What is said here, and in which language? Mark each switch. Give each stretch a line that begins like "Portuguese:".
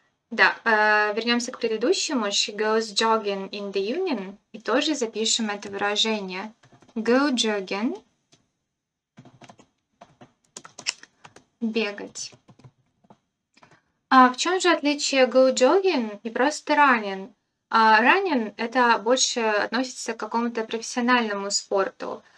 Russian: Да, вернемся к предыдущему.
English: She goes jogging in the evening.
Russian: И тоже запишем это выражение.
English: Go jogging.
Russian: Бегать. А в чем же отличие
English: go jogging
Russian: и просто running? Running это больше относится к какому-то профессиональному спорту.